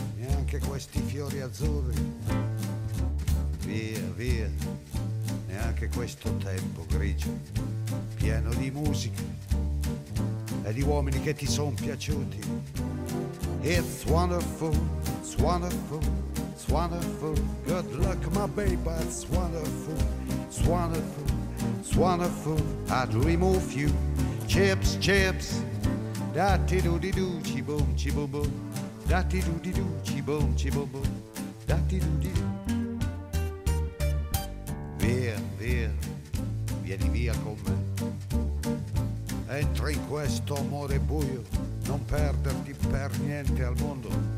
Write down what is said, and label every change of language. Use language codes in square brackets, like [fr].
[it] Neanche questi fiori azzurri, via, via, neanche questo tempo grigio, pieno di musica e di uomini che ti son piaciuti. [en] It's wonderful, it's wonderful, it's wonderful, good luck my baby, it's wonderful, it's wonderful, it's wonderful, I'd remove you, chips, chips, dati do di do, ci boom, ci boom, boom. Dati do di do, ci bom ci bom bom, dati do di do. [it] Via, via, vieni via con me. Entra in questo amore buio, non perderti per niente al mondo.